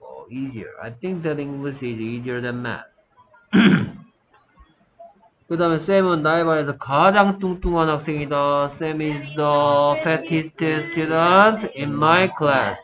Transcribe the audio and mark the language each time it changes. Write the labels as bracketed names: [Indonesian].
[English] easier. I think that English is easier than math. [Korean] 그 다음에 쌤은 나의 반에서 가장 뚱뚱한 학생이다. [English] Sam is the fattest student in my class.